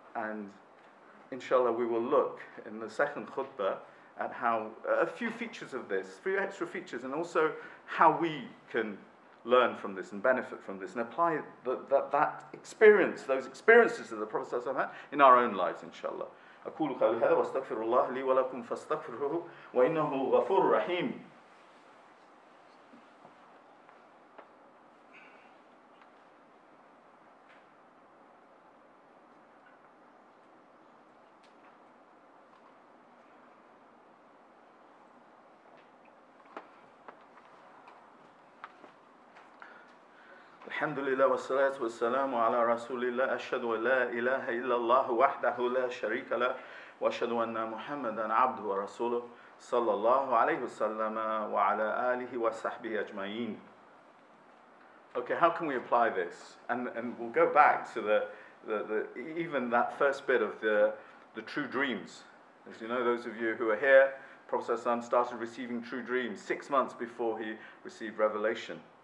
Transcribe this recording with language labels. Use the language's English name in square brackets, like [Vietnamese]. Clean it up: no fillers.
[English] And inshallah we will look in the second khutbah at how a few features of this, three extra features, and also how we can learn from this and benefit from this and apply that experience, those experiences of the Prophet ﷺ had in our own lives, inshallah. [Arabic] أقول قولي هذا واستغفر الله لي ولكم فاستغفروه وإنه غفور رحيم. الحمد لله والصلاة والسلام على رسول الله أشهد أن لا إله إلا الله وحده لا شريك له وأشهد أن محمدا عبده ورسوله صلى الله عليه وسلم وعلى آله وصحبه أجمعين. [English] Okay, how can we apply this? And we'll go back to even that first bit of the true dreams. As you know, those of you who are here, Prophet ﷺ started receiving true dreams 6 months before he received revelation.